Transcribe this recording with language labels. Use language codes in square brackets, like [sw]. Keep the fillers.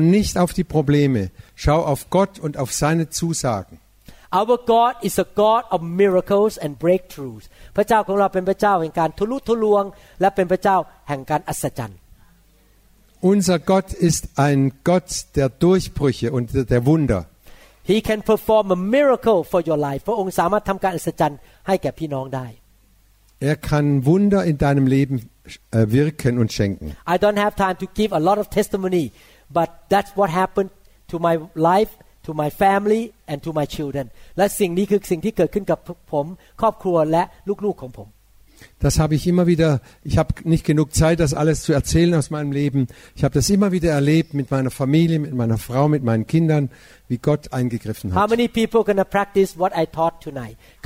[de] nicht auf die Probleme, schau auf Gott und auf seine Zusagen. [en] Our God is a God of miracles and breakthroughs. [th] พระเจ้าของเราเป็นพระเจ้าแห่งการทะลุทะลวงและเป็นพระเจ้าแห่งการอัศจรรย์ [de] unser Gott ist ein Gott der Durchbrüche und der Wunder. [en] He can perform a miracle for your life. [th] พระองค์สามารถทำการอัศจรรย์ให้แก่พี่น้องได้ [de] Er kann Wunder in deinem Leben wirken und schenken. [en] I don't have time to give a lot of testimony, but that's what happened to my life, to my family, and to my children. [th] และสิ่งนี้คือสิ่งที่เกิดขึ้นกับผมครอบครัวและลูกๆของผม [de] das habe ich immer wieder, ich habe nicht genug Zeit, das alles zu erzählen aus meinem Leben. Ich habe das immer wieder erlebt mit meiner Familie, mit meiner Frau, mit meinen Kindern, wie Gott eingegriffen hat. [en] How many people gonna practice what I taught tonight?